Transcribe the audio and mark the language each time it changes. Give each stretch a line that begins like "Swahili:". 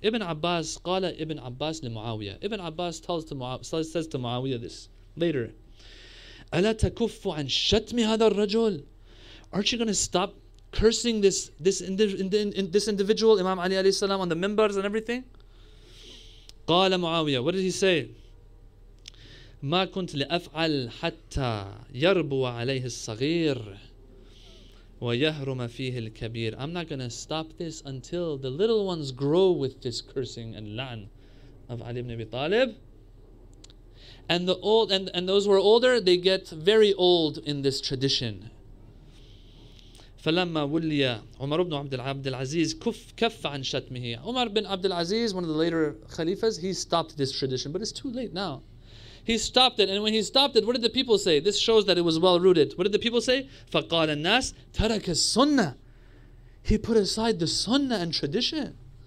English: Ibn Abbas,
Arabic: qala Ibn Abbas li Muawiyah.
English: Ibn Abbas says to Muawiyah this later.
Arabic: Ala takuffu an shatmi hadha ar-rajul?
English: Aren't you going to stop cursing this individual, Imam Ali alayhi salam, on the members and everything? Qala Muawiyah, what did he say?
Arabic: ما كنت لأفعل حتى يربو عليه الصغير ويهرم فيه الكبير.
English: I'm not going to stop this until the little ones grow with this cursing and la'an of Ali ibn Abi Talib. And the old and those who are older, they get very old in this tradition.
Arabic: فلما ولي عمر بن عبد العزيز كف عن شتمه.
English: Umar bin Abdul Aziz, one of the later khalifas, he stopped this tradition, but it's too late now. He stopped it, and when he stopped it, what did the people say? This shows that it was well rooted. What did the people say?
Arabic: فَقَالَ النَّاسِ تَرَكَ السُنَّةِ.
English: He put aside the sunnah and tradition.